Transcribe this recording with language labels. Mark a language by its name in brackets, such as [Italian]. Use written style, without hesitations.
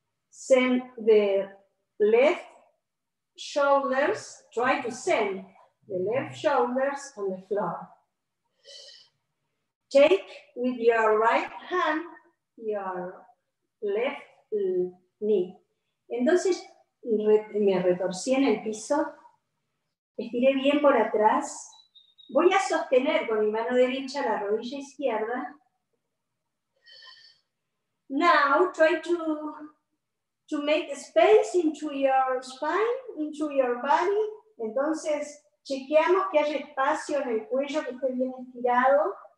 [English] Send the left shoulders, try to send the left shoulders on the floor. Take with your right hand your left knee. [Spanish] Entonces me retorcí en el piso, estiré bien por atrás. Voy a sostener con mi mano derecha la rodilla izquierda. [English] Now try to make space into your spine, into your body. [Spanish] Entonces chequeamos que haya espacio en el cuello, que esté bien estirado.